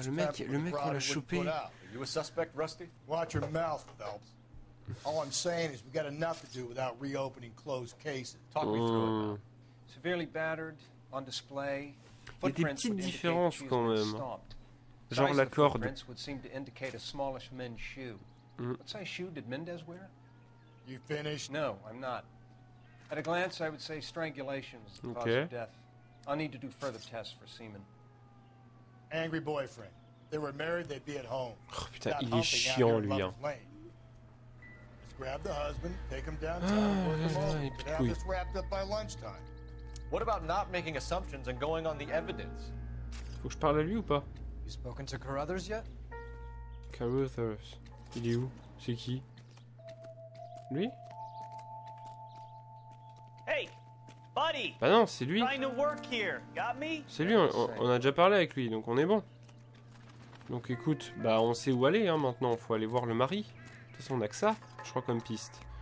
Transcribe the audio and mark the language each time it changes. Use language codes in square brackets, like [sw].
[fr] Le mec on l'a chopé. [en] You a suspect, Rusty? Watch your mouth, Phelps. All I'm saying is we got enough to do without reopening closed cases. Talk me through it. Severely battered, on display. [fr] Il y a des petites différences quand même. Genre la corde. [en] Would seem to indicate a smallish men's shoe. What size shoe did Mendez wear? You finished? No, I'm not. At a glance, I would say strangulation is the cause of death. I'll need to do further tests for semen. Angry boyfriend. They were married, they'd be at home. [fr] Oh putain, il est chiant lui, hein. [en] Let's grab the husband, take him downtown, work him over. By lunchtime. What about not making assumptions and going on the evidence? [fr] Faut que je parle à lui ou pas? [en] You spoken to Carruthers yet? [fr] Carruthers. Il est où? C'est qui? Lui? [en] Hey, buddy. [fr] Bah non, c'est lui. [en] Trying to work here. Got me? [fr] C'est lui, on a déjà parlé avec lui, donc on est bon. Donc écoute, bah on sait où aller hein, maintenant, faut aller voir le mari. De toute façon, on a que ça, je crois, comme piste.